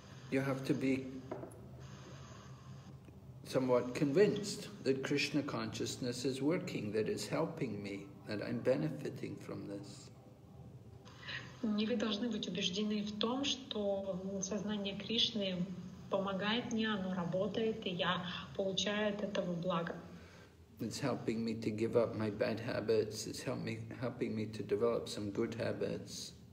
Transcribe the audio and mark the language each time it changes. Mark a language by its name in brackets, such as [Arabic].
[English] You have to be somewhat convinced that Krishna consciousness is working, that it's helping me, that I'm benefiting from this. [Russian] И вы должны быть убеждены в том, что сознание Кришны помогает мне, оно работает, и я получаю от этого благо. [English] It's helping me to give up my bad habits, it's helping me to develop some good habits.